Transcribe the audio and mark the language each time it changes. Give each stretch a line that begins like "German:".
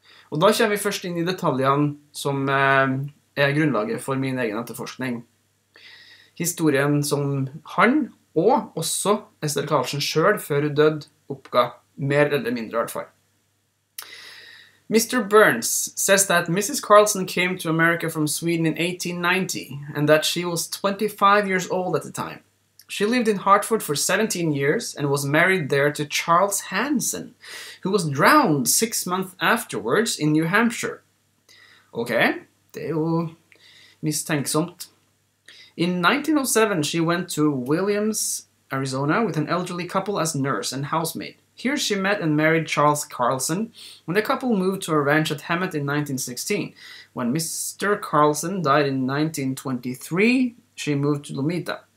Norwegian: Og da kommer vi først inn i detaljene som er grunnlaget for min egen etterforskning. Historien som han, og også Esther Karlsson selv, før hun død, oppga mer eller mindre hvertfall.
English: Mr. Burns says that Mrs. Carlson came to America from Sweden in 1890, and that she was 25 years old at the time. She lived in Hartford for 17 years and was married there to Charles Hansen, who was drowned 6 months afterwards in New Hampshire.
Norwegian: Okay, det er jo mistenksomt.
English: In 1907, she went to Williams, Arizona with an elderly couple as nurse and housemaid. Here she met and married Charles Carlson when the couple moved to a ranch at Hemet in 1916. When Mr. Carlson died in 1923, she moved to Lomita.